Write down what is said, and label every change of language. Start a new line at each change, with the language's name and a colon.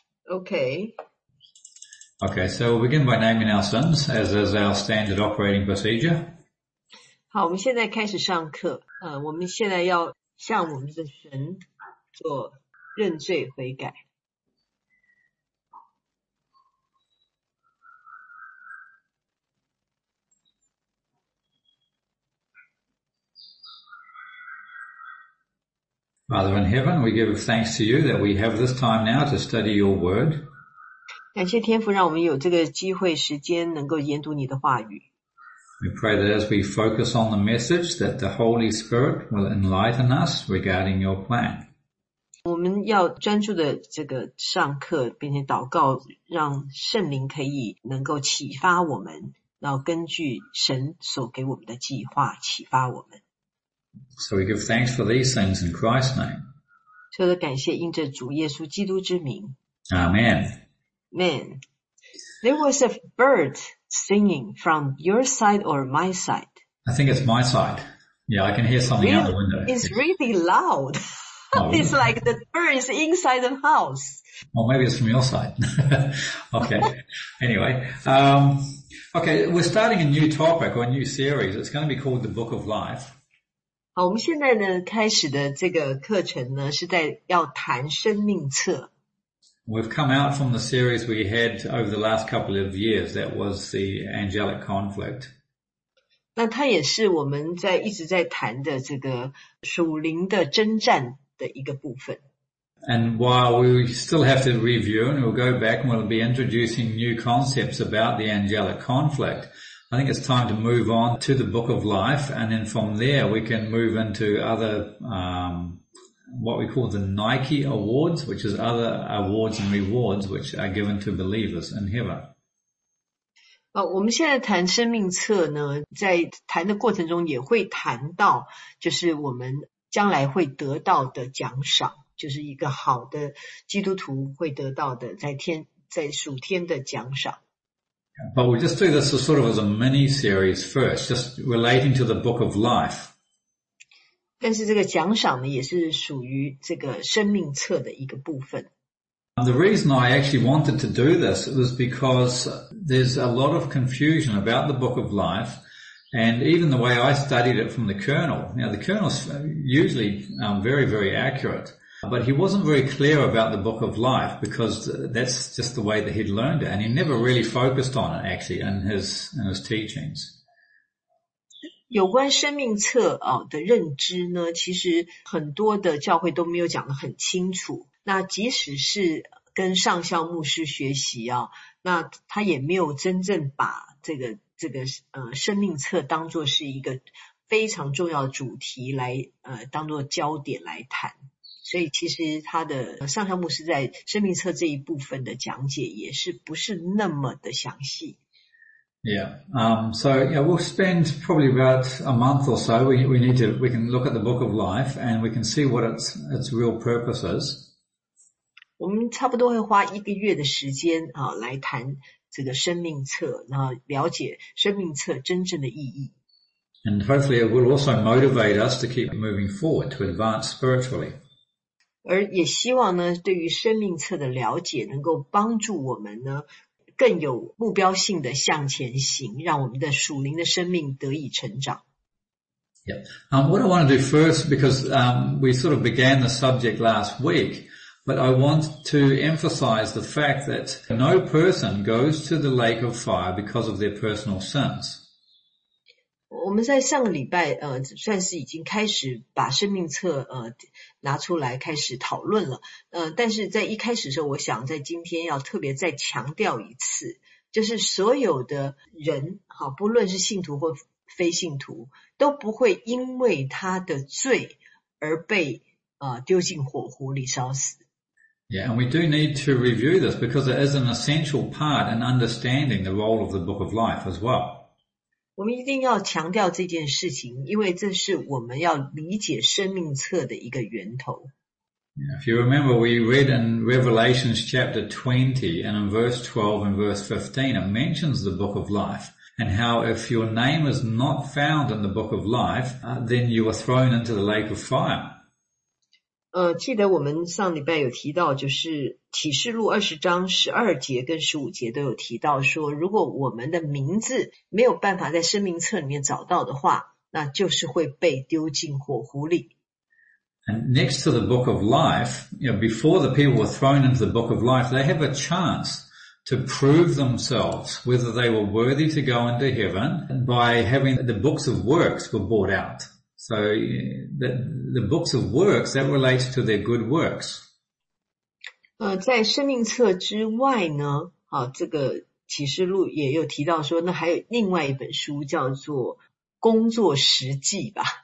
English: Okay, so we'll begin by naming our sins, as is our standard operating procedure.
Chinese: 好，我们现在开始上课。我们现在要向我们的神做认罪悔改。
English: Father in heaven, we give thanks to you that we have this time now to study your word.
Chinese: 感谢天父，让我们有这个机会、时间能够研读你的话语。
English: We pray that as we focus on the message, that the Holy Spirit will enlighten us regarding your plan.
Chinese: 我们要专注的这个上课，并且祷告，让圣灵可以能够启发我们，然后根据神所给我们的计划启发我们。
English: So we give thanks for these things in Christ's name.
Chinese: 所有的感谢因着主耶稣基督之名。
English: Amen. Amen. There was a bird singing from your side or my side? I think it's my side. Yeah, I can hear something really, out the window. It's really loud. It's like the bird is inside the house. Well, maybe it's from your side. Okay. Anyway. Okay, we're starting a new topic or a new series. It's going to be called The Book of Life.
Chinese: 好，我们现在呢开始的这个课程呢是在要谈生命册。
English: We've come out from the series we had over the last couple of years. That was the angelic conflict.
Chinese: 那它也是我们在一直在谈的这个属灵的征战的一个部分。
English: And while we still have to review and we'll go back and we'll be introducing new concepts about the angelic conflict, I think it's time to move on to the book of life. And then from there, we can move into other, what we call the Nike Awards, which is other awards and rewards which are given to believers in heaven.
Chinese: 我们现在谈生命册呢，在谈的过程中也会谈到，就是我们将来会得到的奖赏，就是一个好的基督徒会得到的在属天的奖赏。
English: But we'll just do this as sort of as a mini-series first, just relating to the book of life.
Chinese: 但是这个奖赏呢，也是属于这个生命册的一个部分。
English: And the reason I actually wanted to do this was because there's a lot of confusion about the book of life, and even the way I studied it from the colonel. Now, the colonel's usually very, very accurate, but he wasn't very clear about the book of life because that's just the way that he'd learned it, and he never really focused on it actually in his teachings.
Chinese: 有关生命册的认知呢，其实很多的教会都没有讲得很清楚。那即使是跟上校牧师学习那他也没有真正把这个生命册当作是一个非常重要的主题来当作焦点来谈。所以其实他的上校牧师在生命册这一部分的讲解也是不是那么的详细。
English: Yeah, we'll spend probably about a month or so. We can look at the book of life and we can see what its real purpose is.
Chinese: 我们差不多会花一个月的时间来谈这个生命册，然后了解生命册真正的意义。
English: And hopefully it will also motivate us to keep moving forward, to advance spiritually.
Chinese: 而也希望呢，对于生命册的了解能够帮助我们呢，更有目标性的向前行，让我们的属灵的生命得以成长。
English: Yeah. What I want to do first, because we sort of began the subject last week, but I want to emphasize the fact that no person goes to the lake of fire because of their personal sins.
Chinese: 我们在上个礼拜算是已经开始把生命册拿出来开始讨论了。但是在一开始的时候，我想在今天要特别再强调一次，就是所有的人不论是信徒或非信徒，都不会因为他的罪而被丢进火湖里烧死。
English: Yeah, and we do need to review this because it is an essential part in understanding the role of the book of life as well.
Chinese: 我们一定要强调这件事情，因为这是我们要理解生命册的一个源头。
English: If you remember, we read in Revelation chapter 20 and in verse 12 and verse 15, it mentions the book of life and how if your name is not found in the book of life, then you are thrown into the lake of fire.
Chinese: 记得我们上礼拜有提到，就是启示录二十章十二节跟十五节都有提到说，如果我们的名字没有办法在生命册里面找到的话，那就是会被丢进火湖里。
English: And next to the book of life, you know, before the people were thrown into the book of life, they have a chance to prove themselves whether they were worthy to go into heaven by having the books of works were brought out. So the books of works, that relates to their good works.
Chinese: 在生命册之外呢，这个启示录也有提到说，那还有另外一本书叫做工作实际吧。